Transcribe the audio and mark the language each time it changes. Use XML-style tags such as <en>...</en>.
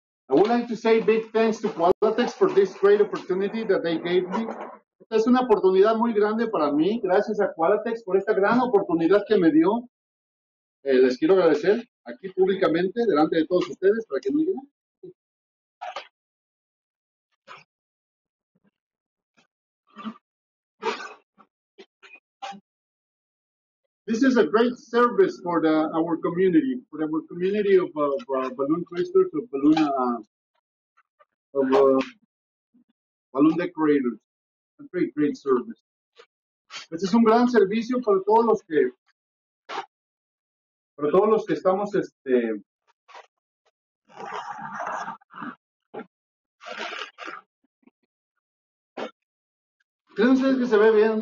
<en>I would like to say big thanks to Qualitex for this great opportunity that they gave me.</en> <es>Esta es una oportunidad muy grande para mí. Gracias a Qualitex por esta gran oportunidad que me dio. Les quiero agradecer aquí públicamente, delante de todos ustedes, para que no digan.</es> <en>This is a great service for our community of balloon twisters, balloon decorators. A great, great service.</en> <es>Este es un gran servicio para todos los que estamos ¿Creen ustedes que se ve bien?</es>